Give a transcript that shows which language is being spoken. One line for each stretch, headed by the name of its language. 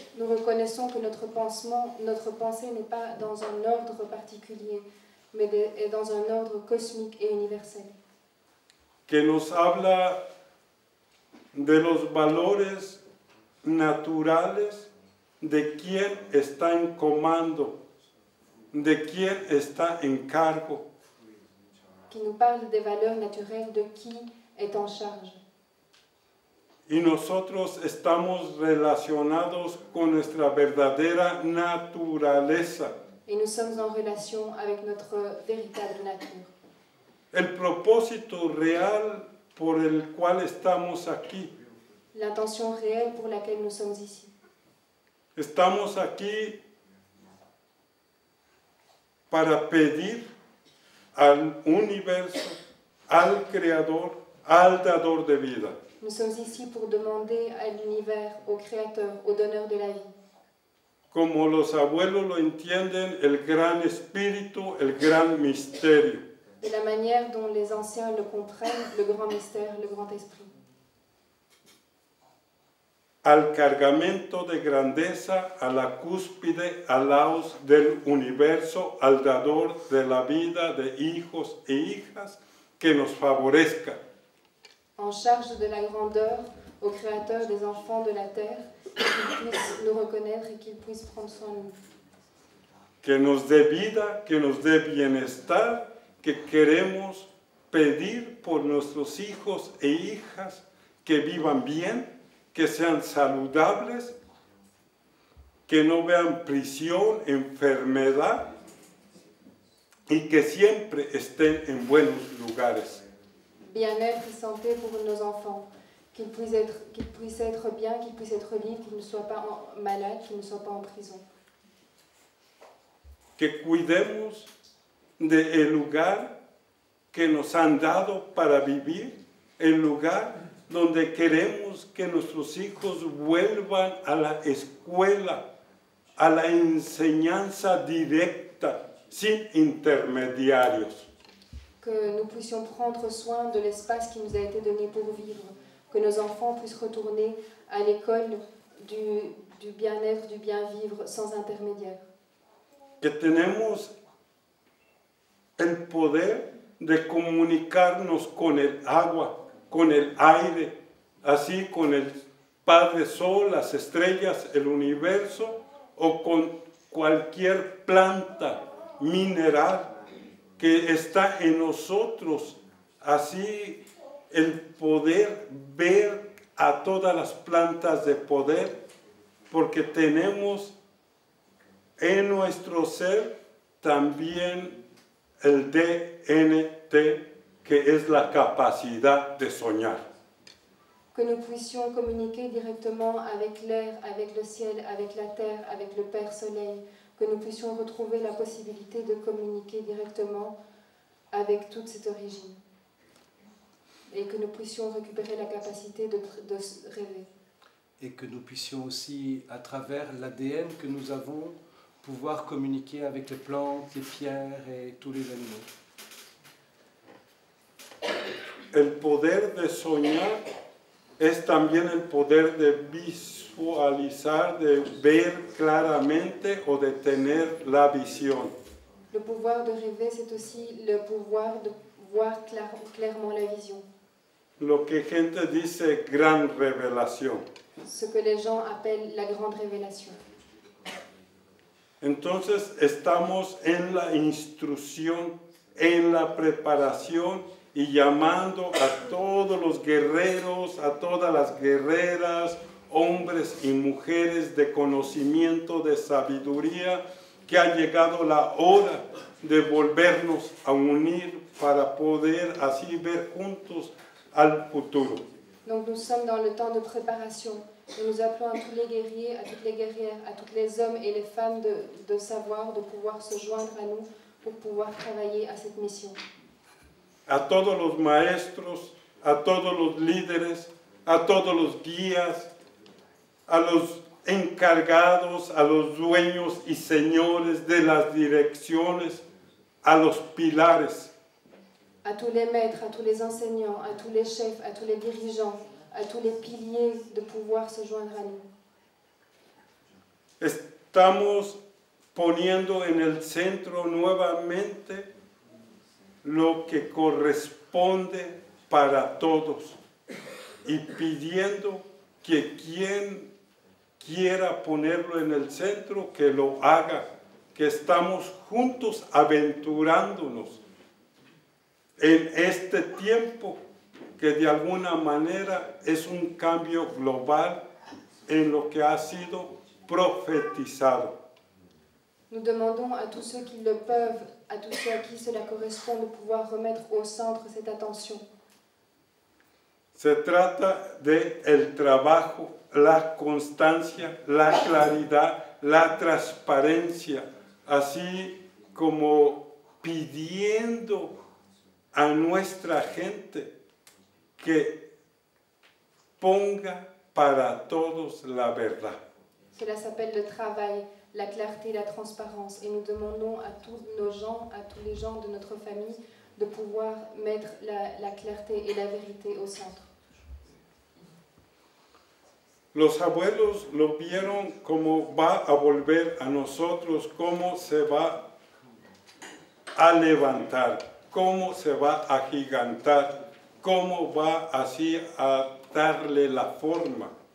French: Nous reconnaissons que notre pensée n'est pas dans un ordre particulier, mais est dans un ordre cosmique et universel.
Spanish: Que nos habla de los valores naturales de quien está en comando, de quien está en cargo.
French: Qui nous parle des valeurs naturelles de qui est en charge.
Spanish: Y nosotros estamos relacionados con nuestra verdadera naturaleza.
French: Et nous sommes en relation avec notre véritable nature.
Spanish: El propósito real por el cual estamos aquí.
French: L'intention réelle pour laquelle nous sommes ici.
Spanish: Estamos aquí para pedir al universo, al creador, al dador de vida.
French: Nous sommes ici pour demander à l'univers, au créateur, au donneur de la vie.
Spanish: Como los abuelos lo entienden, el gran espíritu, el gran misterio.
French: De la manière dont les anciens le comprennent, le grand mystère, le grand esprit.
Spanish: Al cargamento de grandeza, a la cúspide, al haos del universo, al dador de la vida de hijos e hijas que nos favorezca.
French: En charge de la grandeur, au créateur des enfants de la terre, qu'il puisse nous reconnaître et qu'il puisse prendre soin de nous.
Spanish: Que nos dé vida, que nos dé bienestar, que queremos pedir por nuestros hijos e hijas que vivan bien, que sean saludables, que no vean prisión, enfermedad y que siempre estén en buenos lugares.
French: Bien-être y santé pour nos enfants, qu'ils puissent être bien, qu'ils puissent être libres, qu'ils ne soient pas malades, qu'ils ne soient pas en prison.
Spanish: que cuidemos del lugar que nos han dado para vivir, el lugar donde queremos que nuestros hijos vuelvan a la escuela, a la enseñanza directa, sin intermediarios.
French: Que nous puissions prendre soin de l'espace qui nous a été donné pour vivre, que nos enfants puissent retourner à l'école du bien-être, du bien-vivre, sans intermédiaire.
Spanish: Que tenemos el poder de comunicarnos con el agua, con el aire, así con el Padre Sol, las estrellas, el universo, o con cualquier planta, mineral, que está en nosotros, así el poder ver a todas las plantas de poder, porque tenemos en nuestro ser también el DNT, que es la capacidad de soñar.
French: Que nous puissions communiquer directement avec l'air, avec le ciel, avec la terre, avec le Père Soleil, que nous puissions retrouver la possibilité de communiquer directement avec toute cette origine, et que nous puissions récupérer la capacité de rêver. Et que nous puissions aussi, à travers l'ADN que nous avons, pouvoir communiquer avec les plantes, les pierres et tous les animaux.
Spanish: El poder de soñar es también el poder de visualizar, de ver claramente o de tener la visión.
French: Le pouvoir de rêver, c'est aussi le pouvoir de voir clairement la vision.
Spanish: Lo que gente dice gran revelación.
French: Ce que les gens appellent la grande révélation.
Spanish: Entonces estamos en la instrucción, en la preparación y llamando a todos los guerreros, a todas las guerreras, hombres y mujeres de conocimiento, de sabiduría, que ha llegado la hora de volvernos a unir para poder así ver juntos al futuro.
French: Donc nous sommes dans le temps de préparation. Nous appelons à tous les guerriers, à toutes les guerrières, à tous les hommes et les femmes de savoir, de pouvoir se joindre à nous pour pouvoir travailler à cette mission.
Spanish: A todos los maestros, a todos los líderes, a todos los guías, a los encargados, a los dueños y señores de las direcciones, a los pilares.
French: A tous les maîtres, a tous les enseignants, a tous les chefs, a tous les dirigeants, a tous les piliers de pouvoir se joindre à nous.
Spanish: Estamos poniendo en el centro nuevamente lo que corresponde para todos y pidiendo que quien quiera ponerlo en el centro que lo haga, que estamos juntos aventurándonos en este tiempo que de alguna manera es un cambio global en lo que ha sido profetizado.
French: Nous demandons à tous ceux qui le peuvent, à tous ceux à qui cela correspond, de pouvoir remettre au centre cette attention.
Spanish: Se trata de el trabajo, la constancia, la claridad, la transparencia, así como pidiendo a nuestra gente que ponga para todos la verdad.
French: Cela s'appelle le travail, la clarté, la transparence, et nous demandons à tous nos gens, à tous les gens de notre famille, de pouvoir mettre la clarté et la vérité au centre.
Spanish: Los abuelos lo vieron como va a volver a nosotros, cómo se va a levantar, cómo se va a gigantar, cómo va así a darle la forma.